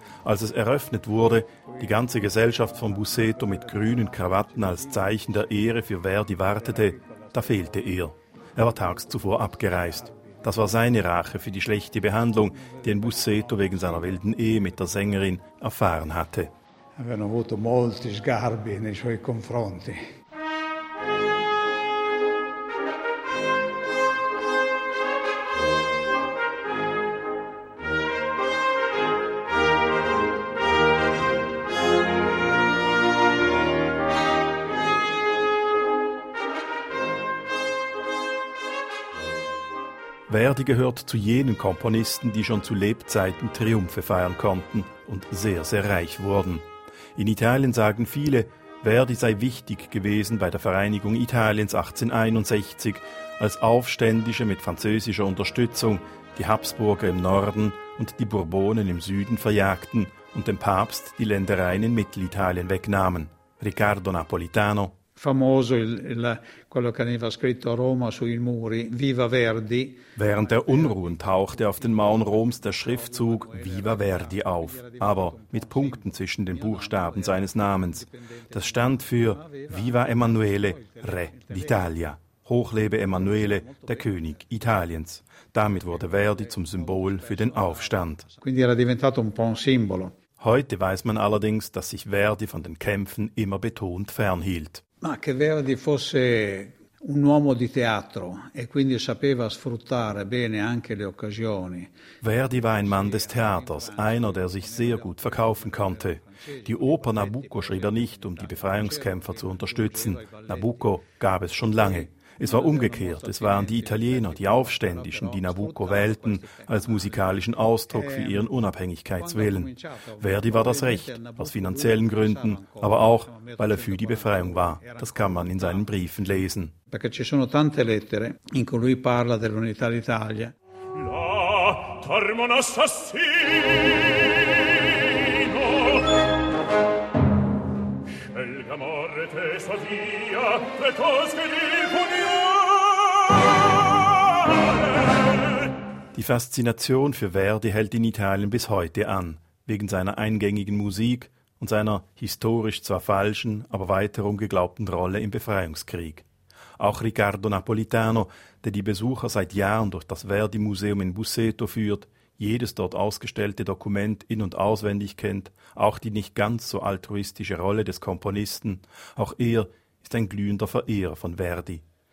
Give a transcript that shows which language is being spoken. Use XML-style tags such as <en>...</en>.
<de>als es eröffnet wurde, die ganze Gesellschaft von Busseto mit grünen Krawatten als Zeichen der Ehre für Verdi wartete, da fehlte er. Er war tags zuvor abgereist. Das war seine Rache für die schlechte Behandlung, die ein Busseto wegen seiner wilden Ehe mit der Sängerin erfahren hatte.</de> <it>Avevano avuto molti sgarbi nei suoi confronti.</it> <de>Verdi gehört zu jenen Komponisten, die schon zu Lebzeiten Triumphe feiern konnten und sehr, sehr reich wurden. In Italien sagen viele, Verdi sei wichtig gewesen bei der Vereinigung Italiens 1861, als Aufständische mit französischer Unterstützung die Habsburger im Norden und die Bourbonen im Süden verjagten und dem Papst die Ländereien in Mittelitalien wegnahmen. Riccardo Napolitano.</de> <it>Famoso quello che aveva scritto Roma sui muri, Viva Verdi.</it> <de>Während der Unruhen tauchte auf den Mauern Roms der Schriftzug</de> <it>Viva Verdi</it> <de>auf, aber mit Punkten zwischen den Buchstaben seines Namens. Das stand für</de> <it>Viva Emanuele, Re d'Italia.</it> <de>Hochlebe Emanuele, der König Italiens. Damit wurde Verdi zum Symbol für den Aufstand.</de> <it>Quindi era diventato un po' un simbolo.</it> <de>Heute weiß man allerdings, dass sich Verdi von den Kämpfen immer betont fernhielt.</de> <it>Ma che Verdi fosse un uomo di teatro e quindi sapeva sfruttare bene anche le occasioni.</it> <de>Verdi war ein Mann des Theaters, einer, der sich sehr gut verkaufen konnte. Die Oper Nabucco schrieb er nicht, um die Befreiungskämpfer zu unterstützen. Nabucco gab es schon lange. Es war umgekehrt, es waren die Italiener, die Aufständischen, die Nabucco wählten, als musikalischen Ausdruck für ihren Unabhängigkeitswillen. Verdi war das Recht, aus finanziellen Gründen, aber auch, weil er für die Befreiung war. Das kann man in seinen Briefen lesen.</de> <it>Perché ci sono tante lettere in cui lui parla dell'unità d'Italia. La torma un assassino. Scelga morte sua via, le cose di punire.</it> <de>Die Faszination für Verdi hält in Italien bis heute an, wegen seiner eingängigen Musik und seiner historisch zwar falschen, aber weiterum geglaubten Rolle im Befreiungskrieg. Auch Riccardo Napolitano, der die Besucher seit Jahren durch das Verdi-Museum in Busseto führt, jedes dort ausgestellte Dokument in- und auswendig kennt, auch die nicht ganz so altruistische Rolle des Komponisten, auch er ist ein glühender Verehrer von Verdi.</de>